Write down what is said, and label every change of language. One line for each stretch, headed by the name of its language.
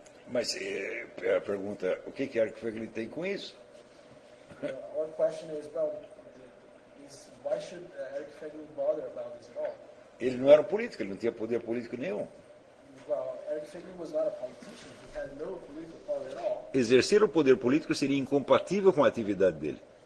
Portuguese: Mas a pergunta, o que Eric Voegelin tem com isso?
English: Our question is, well, is why should Eric Voegelin bother about this at all?
Portuguese: Ele não era um político, ele não tinha poder político nenhum.
English: Well, Eric Voegelin was not a politician, he had no political power at all.
Portuguese: Exercer o poder político seria incompatível com a atividade dele.